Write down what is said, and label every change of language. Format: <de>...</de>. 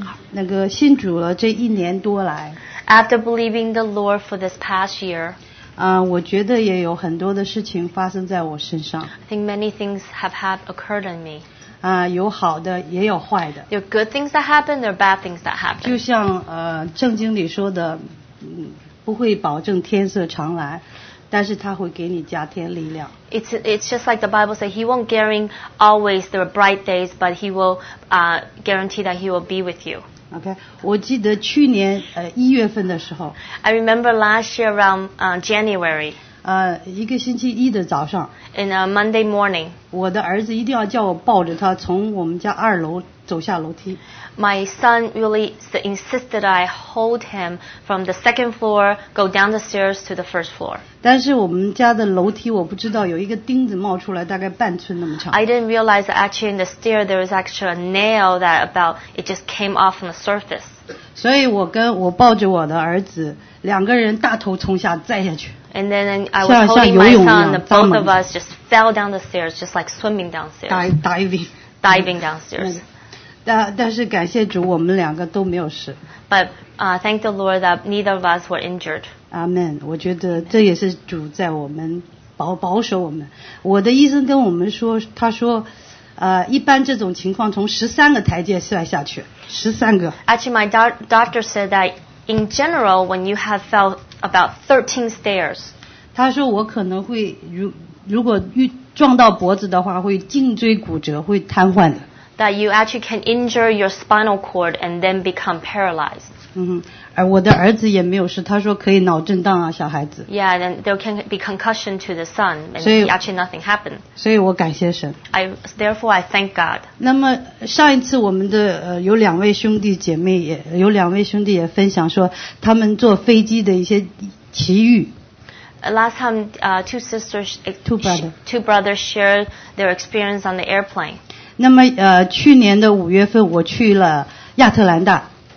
<zh>那个信主了这一年多来。</zh> <en>After believing the Lord for this past year,</en> <zh>我觉得也有很多的事情发生在我身上。</zh> <en>I think many things have had occurred in me.</en> <zh>有好的也有坏的。</zh> <en>There are good things that happen, there are bad things that happen.</en> <zh>就像圣经里说的，不会保证天色常蓝。但是他会给你加添力量。</zh> <en>It's just like the Bible said, he won't guarantee always there are bright days, but he will guarantee that he will be with you.</en> <zh>Okay, 我记得去年一月份的时候。</zh> <en>I remember last year around January.</en> <zh>一个星期一的早上。</zh> <en>In a Monday morning.</en> <zh>我的儿子一定要叫我抱着他从我们家二楼走下楼梯。</zh> <en>My son really insisted I hold him from the second floor, go down the stairs to the first floor.</en> <zh>但是我们家的楼梯我不知道有一个钉子冒出来大概半寸那么长。</zh> <en>I didn't realize that actually in the stair there was actually a nail that about it just came off from the surface.</en> <zh>所以我跟我抱着我的儿子两个人大头冲下栽下去。</zh> <en>And then I was holding my son, the both of us just fell down the stairs, just like swimming downstairs. Diving downstairs.</en> <zh>但是感谢主，我们两个都没有事。</zh> <en>But thank the Lord that neither of us were injured. Amen.</en> <zh>我觉得这也是主在我们保守我们。我的医生跟我们说，他说，一般这种情况从13个台阶摔下去，13个。</zh> <en>Actually, my doctor said that in general, when you have fell about 13 stairs,</en> <zh>他说我可能会如果撞到脖子的话，会颈椎骨折，会瘫痪的。</zh> <en>That you actually can injure your spinal cord and then become paralyzed.</en> <zh>我的儿子也没有事，他说可以脑震荡啊，小孩子。</zh> <en>Yeah, then there can be concussion to the son, and actually nothing happened.</en> <zh>所以我感谢神。</zh> <en>Therefore, I thank God.</en> <zh>那么上一次我们的有两位兄弟姐妹也有两位兄弟也分享说他们坐飞机的一些奇遇。</zh> <en>Last time, two brothers shared their experience on the airplane.</en> <zh>那么去年的五月份我去了亚特兰大。</zh>